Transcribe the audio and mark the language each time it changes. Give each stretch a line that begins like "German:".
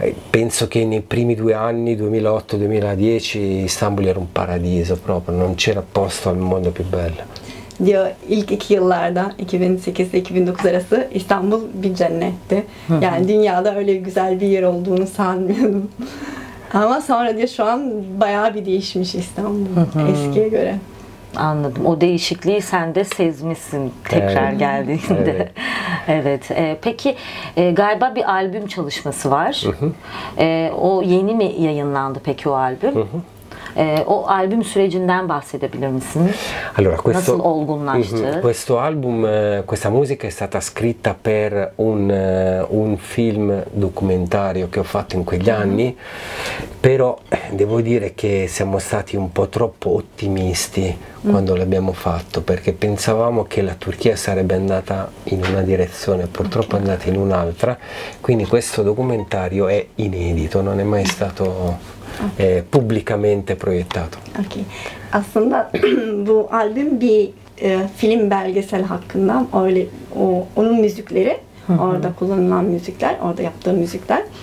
Italian: Penso che nei primi due anni, 2008-2010, İstanbul era un paradiso proprio, non c'era posto al mondo più bello.
Turkish: Diyor, ilk iki yıllarda, 2008-2009 arası İstanbul bir cennetti. Yani dünyada öyle güzel bir yer olduğunu sanmıyordum. Ama sonra diyor, şu an bayağı bir değişmiş İstanbul eskiye göre. Anladım. O değişikliği sen de sezmişsin tekrar geldiğinde. Evet. Peki galiba bir albüm çalışması var. O yeni mi yayınlandı peki o albüm? O albüm sürecinden bahsedebilir misin?
Italian: Allora, questo,
Turkish: nasıl olgunlaştı?
Italian: Questo album, questa musica è stata scritta per un film documentario che ho fatto in quegli anni. Però devo dire che siamo stati un po' troppo ottimisti quando l'abbiamo fatto, perché pensavamo che la Turchia sarebbe andata in una direzione, purtroppo è andata in un'altra. Quindi questo documentario è inedito, non è mai stato pubblicamente proiettato. Ok.
Turkish: Aslında bu albüm bir film belgesel hakkında, öyle onun müzikleri, orada kullanılan müzikler, orada yaptığı müzikler.